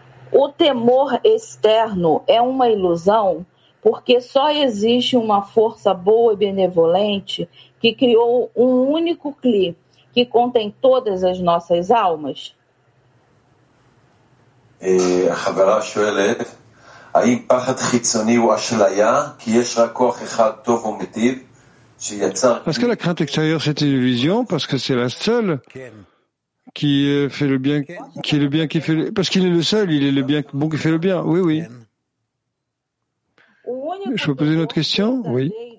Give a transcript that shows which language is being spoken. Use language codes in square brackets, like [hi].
[pt] O temor externo é uma ilusão porque só existe uma força boa e benevolente que criou um único cli que contém todas as nossas almas. [he] A חברה שואלת, האם פחד חיצוני הוא אשליה, כי יש רק כוח אחד טוב ומטיב, שיצר... [fr] Parce que la crainte extérieure, c'est une illusion, parce que c'est la seule qui fait le bien, qui est le bien qui fait le... Parce qu'il est le seul, il est le bien bon qui fait le bien. Oui, oui. Je peux poser une autre question? Oui.